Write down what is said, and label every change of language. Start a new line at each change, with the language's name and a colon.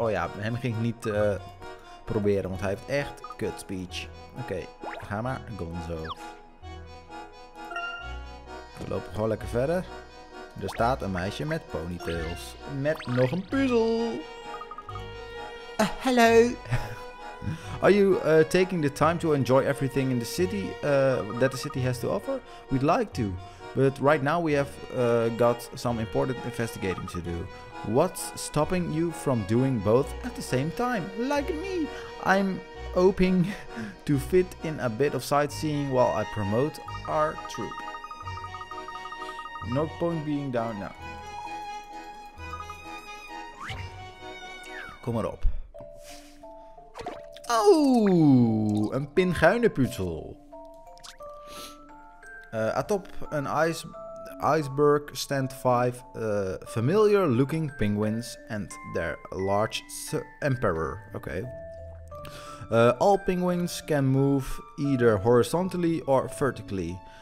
Dutch: Oh ja, hem ging ik niet proberen, want hij heeft echt kut speech. Oké, ga maar, Gonzo. We lopen gewoon lekker verder. Er staat een meisje met ponytails. Met nog een puzzel.
English: Hello. Are you taking the time to enjoy everything in the city that the city has to offer? We'd like to, but right now we have got some important investigating to do. What's stopping you from doing both at the same time? Like me, I'm hoping to fit in a bit of sightseeing while I promote our troop. No point being down now.
Dutch: Kom maar op. Oh, een pinguinenpuzzel.
English: Atop an iceberg stand 5 familiar looking penguins and their large emperor. Okay. All penguins can move either horizontally or vertically.